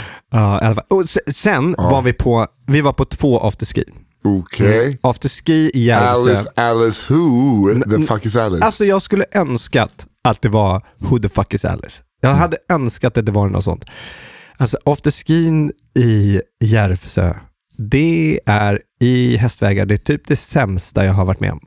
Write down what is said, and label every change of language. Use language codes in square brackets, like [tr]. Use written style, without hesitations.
[sv] Alltså, var vi var på två afterski. Okej. Okay. Afterski i Järvsö. [en] Alice who the fuck is Alice? [sv] Alltså jag skulle önskat att det var [en] who the fuck is Alice. [sv] Jag hade önskat att det var något sånt. Alltså afterskin i Järvsö, det är i hästvägar, det är typ det sämsta jag har varit med om.